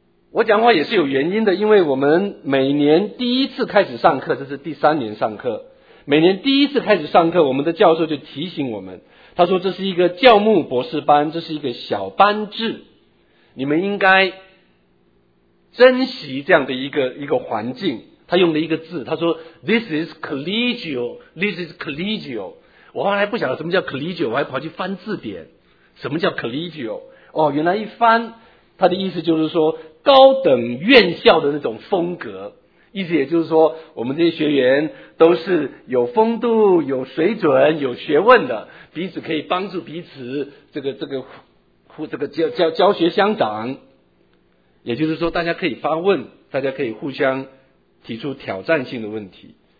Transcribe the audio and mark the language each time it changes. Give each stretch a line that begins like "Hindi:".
Chinese: 我讲话也是有原因的，因为我们每年第一次开始上课，这是第三年上课，每年第一次开始上课，我们的教授就提醒我们，他说这是一个教牧博士班，这是一个小班制，你们应该珍惜这样的一个环境。他用了一个字，他说
English: This is collegial, this is collegial。
Chinese: 我后来不晓得什么叫 collegial， 我还跑去翻字典什么叫 collegial。哦，原来一翻他的意思就是说高等院校的那种风格，意思也就是说我们这些学员都是有风度、有水准、有学问的，彼此可以帮助彼此，这个教学相长，也就是说大家可以发问，大家可以互相提出挑战性的问题。